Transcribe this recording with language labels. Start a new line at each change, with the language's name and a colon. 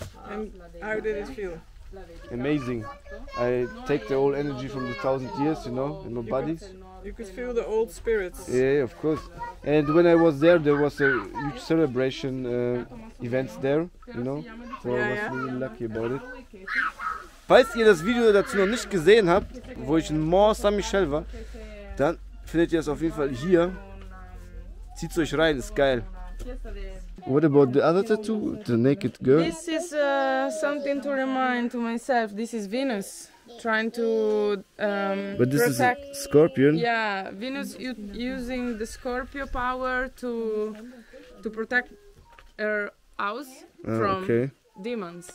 English: And how did it feel? Amazing. I take the old energy from the 1,000 years, you know, in my body. You could feel the old spirits. Yeah, of course. And when I was there was a huge celebration events there, you know. So I was really lucky about it.
German: Falls ihr das Video dazu noch nicht gesehen habt, wo ich in Mont Saint-Michel war, dann findet ihr es auf jeden Fall hier. Zieht euch rein, ist geil.
English: What about the other tattoo, the naked girl? This is something to remind to myself. This is Venus trying to but this protect. Is a scorpion. Yeah, Venus using the Scorpio power to protect her house demons.